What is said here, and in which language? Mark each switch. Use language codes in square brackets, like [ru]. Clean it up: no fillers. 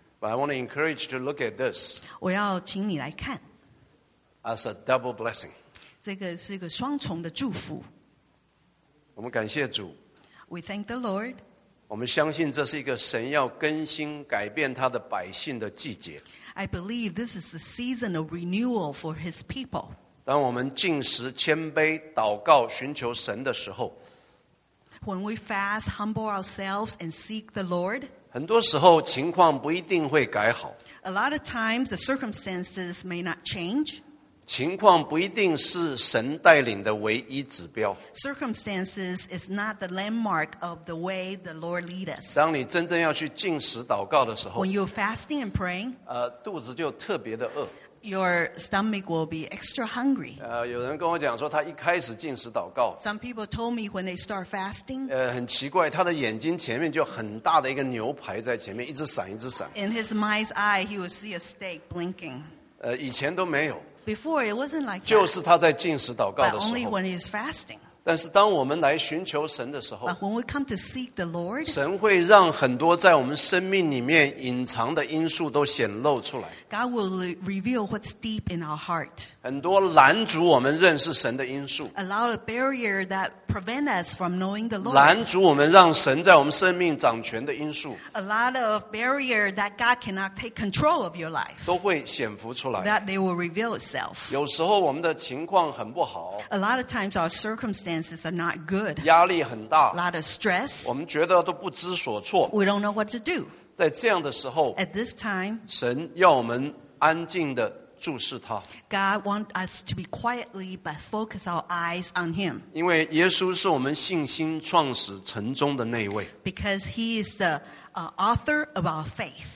[en] But I want to encourage you to look at this. [zh] 我要请你来看。 [en] As a double blessing. [zh] 这个是一个双重的祝福。我们感谢主。 [en] We thank the Lord. [zh] 我们相信这是一个神要更新改变他的百姓的季节。 [en] I believe this is a season of renewal for his people. [zh] 当我们禁食谦卑祷告寻求神的时候， [en] When we fast, humble ourselves and seek the Lord, [zh] 很多时候情况不一定会改好。 [en] A lot of times the circumstances may not change. [zh] 情况不一定是神带领的唯一指标。 [en] Circumstances is not the landmark of the way the Lord lead us. [zh] 当你真正要去禁食祷告的时候， [en] When you're fasting and praying, [zh] 肚子就特别的饿。 [en] Your stomach will be extra hungry. [zh] 有人跟我讲说他一开始禁食祷告。 [en] Some people told me when they start fasting, [zh] 很奇怪，他的眼睛前面就很大的一个牛排在前面，一直闪一直闪。 [en] In his mind's eye, he will see a steak blinking. [zh] 以前都没有。 [en] Before it wasn't like that. [zh] 就是他在禁食祷告的时候。 [en] But only when he's fasting. [zh] 但是当我们来寻求神的时候。 [en] But when we come to seek the Lord. [zh] 神会让很多在我们生命里面隐藏的因素都显露出来。 [en] God will reveal what's deep in our heart. [zh] 很多拦阻我们认识神的因素。 [en] A lot of barrier that prevent us from knowing the Lord. [zh] 拦阻我们让神在我们生命掌权的因素。 [en] A lot of barrier that God cannot take control of your life. [zh] 都会显浮出来。 [en] That they will reveal itself. [zh] 有时候我们的情况很不好。 [en] A lot of times our circumstances are not good. [zh] 压力很大。 [en] A lot of stress. [zh] 我们觉得都不知所措。 [en] We don't know what to do. [zh] 在这样的时候， [en] At this time, [zh] 神要我们安静地注视他。 [en] God wants us to be quietly but focus our eyes on him. [zh] 因为耶稣是我们信心创始成终的那一位。 [en] Because he is the author of our faith.